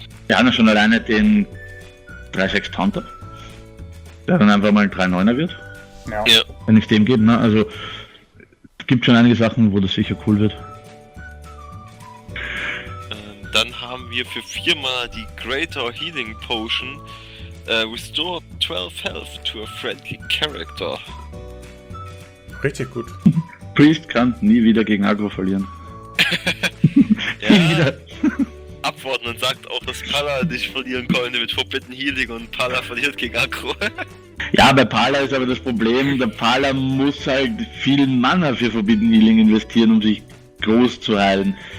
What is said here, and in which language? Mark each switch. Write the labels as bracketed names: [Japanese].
[German] Ja, schon alleine den 3-6 Taunter, der dann einfach mal 3-9er wird. Ja. Wenn ich dem gebe, ne? Also gibt schon einige Sachen, wo das sicher cool wird. Dann haben wir für 4 Mana die Greater Healing Potion. [English] Restore 12 health to a friendly character. [German] Richtig gut. Priest kann nie wieder gegen Aggro verlieren. Ja, nie wieder. Abwarten und sagt auch, dass Pala nicht verlieren konnte mit Forbidden Healing und Pala verliert gegen Aggro. Ja, bei Pala ist aber das Problem, der Pala muss halt viel Mana für Forbidden Healing investieren, um sich groß zu heilen.